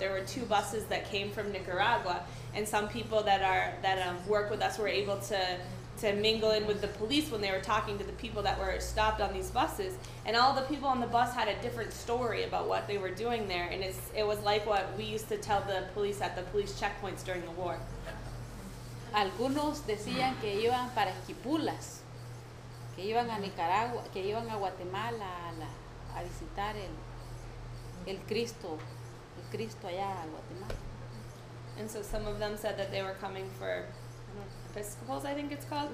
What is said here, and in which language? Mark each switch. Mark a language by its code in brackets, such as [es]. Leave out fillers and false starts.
[en] There were two buses that came from Nicaragua, and some people that work with us were able to mingle in with the police when they were talking to the people that were stopped on these buses. And all the people on the bus had a different story about what they were doing there, and it was like what we used to tell the police at the police checkpoints during the war. [es] Algunos decían que iban para Esquipulas, que iban a Nicaragua, que iban a Guatemala a visitar el Cristo allá a Guatemala. [en] And so some of them said that they were coming for Episcopals, I think it's called.